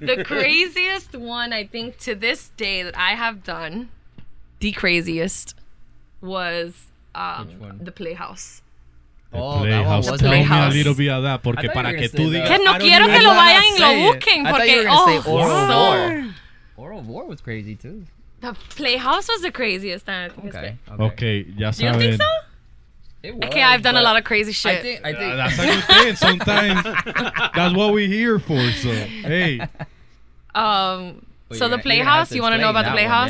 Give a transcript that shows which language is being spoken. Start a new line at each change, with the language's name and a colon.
English: The craziest one, I think, to this day that I have done, the craziest, was the Playhouse. Playhouse. Tell me a little bit of that,
Spanish: porque para que tú digas... Que no quiero que lo vayan y lo busquen, porque...
English: I thought you were going to say Oral War was crazy, too. The Playhouse was the craziest time, I think.
Spanish: Okay, ya saben.
English: You don't think so? Was, okay, I've done a lot of crazy shit. I think. That's a good thing. Sometimes that's what we're here for. So, hey. So the Playhouse, you want to know about the Playhouse?